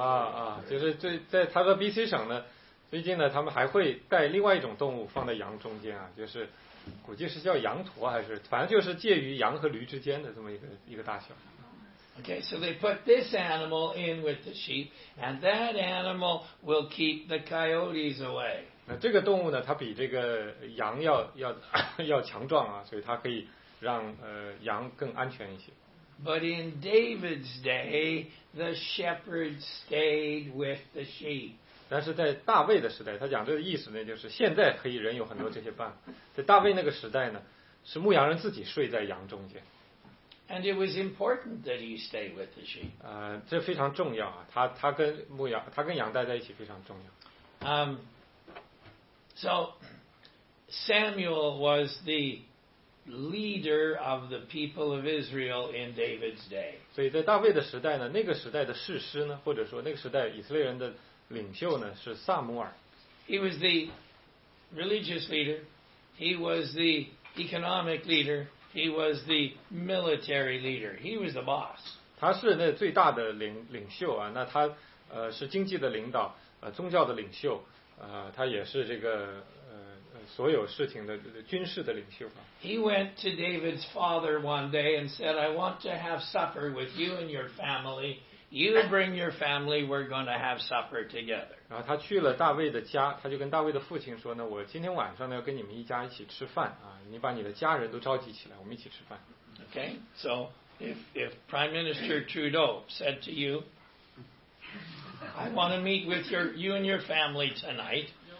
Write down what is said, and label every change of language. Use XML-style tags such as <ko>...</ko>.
<zh>啊，就是在他的 BC 省呢，最近呢他们还会带另外一种动物放在羊中间啊，就是估计是叫羊驼还是反正就是介于羊和驴之间的这么一个大小。</zh> <en>OK, so they put this animal in with the sheep and that animal will keep the coyotes away.</en> <zh>那这个动物呢，它比这个羊要强壮啊，所以它可以让羊更安全一些。</zh> <en>But in David's day, the shepherd stayed with the sheep.</en> <zh>但是在大卫的时代，他讲这个意思呢，就是现在可以人有很多这些伴，在大卫那个时代呢，是牧羊人自己睡在羊中间。</zh> <en>And it was important that he stay with the sheep.</en> <zh>这非常重要啊，他跟牧羊，他跟羊待在一起非常重要。</zh> <en>So Samuel was the leader of the people of Israel in David's day.</en> <zh>所以在大卫的时代呢，那个时代的士师呢，或者说那个时代以色列人的领袖呢，是撒母耳。</zh> <en>He was the religious leader. He was the economic leader. He was the military leader. He was the boss.</en> <zh>他是那最大的领袖啊，那他是经济的领导，宗教的领袖，他也是这个。所有事情的军事的领袖吧。</zh> <en>He went to David's father one day and said, "I want to have supper with you and your family. You bring your family. We're going to have supper together."</en> <zh>然后他去了大卫的家，他就跟大卫的父亲说呢，我今天晚上呢要跟你们一家一起吃饭啊，你把你的家人都召集起来，我们一起吃饭。</zh> <en>Okay, so if Prime Minister Trudeau said to you, "I want to meet with you and your family tonight."</en>